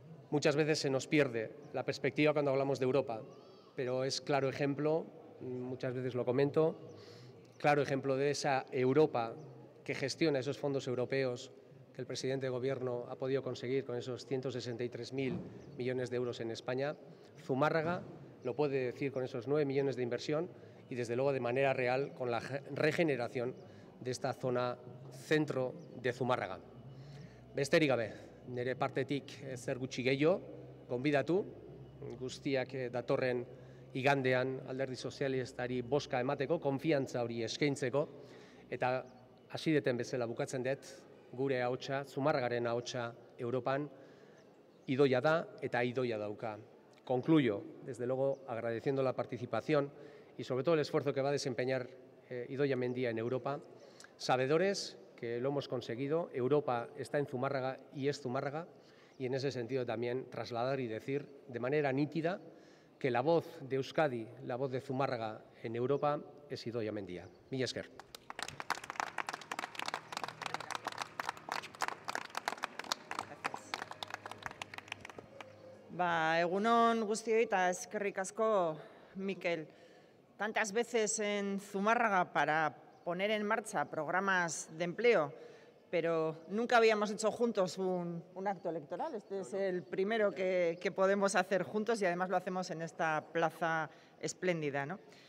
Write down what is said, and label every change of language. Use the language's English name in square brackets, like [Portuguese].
[Spanish] Muchas veces se nos pierde la perspectiva cuando hablamos de Europa, pero es claro ejemplo, muchas veces lo comento, claro ejemplo de esa Europa que gestiona esos fondos europeos que el presidente de gobierno ha podido conseguir con esos 163.000 millones de euros en España. Zumárraga lo puede decir con esos 9 millones de inversión y desde luego de manera real con la regeneración de esta zona centro de Zumárraga. [Basque] Besterik gabe. Nere partetik zer gutxi gehiago, gonbidatu, guztiak datorren igandean alderdi sozialistari bozka emateko, konfiantza hori eskaintzeko, eta hasi deten bezala bukatzen dut, gure ahotsa, Zumárragaren ahotsa Europan, idoia da eta idoia dauka. [Spanish] Concluyo, desde luego, agradeciendo la participación y sobre todo el esfuerzo que va a desempeñar Idoia Mendia en Europa, sabedores que lo hemos conseguido, Europa está en Zumárraga y es Zumárraga, y en ese sentido también trasladar y decir de manera nítida que la voz de Euskadi, la voz de Zumárraga en Europa, es Idoia Mendia. [Basque] Mila esker. Ba, egunon guztioi eta eskerrik asko, Mikel. [Spanish] Tantas veces en Zumárraga para poner en marcha programas de empleo, pero nunca habíamos hecho juntos un acto electoral. Este es el primero que podemos hacer juntos y además lo hacemos en esta plaza espléndida, ¿no?